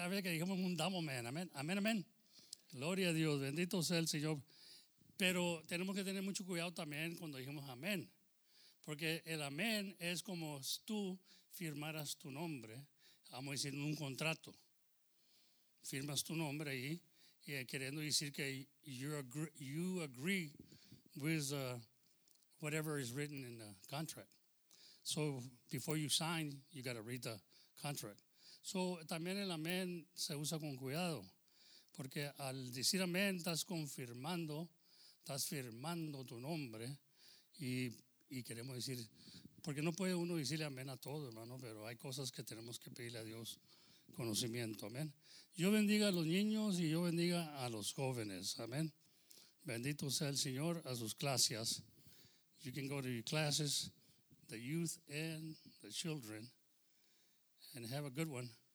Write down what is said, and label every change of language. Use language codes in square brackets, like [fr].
[es] A ver, que digamos un damo, amén. Amén, amén, amén. Gloria a Dios. Bendito sea el Señor. Pero tenemos que tener mucho cuidado también cuando dijimos amén. Porque el amén es como si tú firmaras tu nombre. Vamos a decir, en un contrato. Firmas tu nombre ahí. Y queriendo decir que [en] you agree with whatever is written in the contract. So before you sign, you got to read the contract. [es] So también el amén se usa con cuidado, porque al decir amén estás firmando tu nombre y queremos decir, porque no puede uno decirle amén a todo, hermano, pero hay cosas que tenemos que pedirle a Dios conocimiento. Amén. Yo bendiga a los niños y yo bendiga a los jóvenes. Amén. Bendito sea el Señor a sus clases. [en] You can go to your classes, the youth and the children, and have a good one.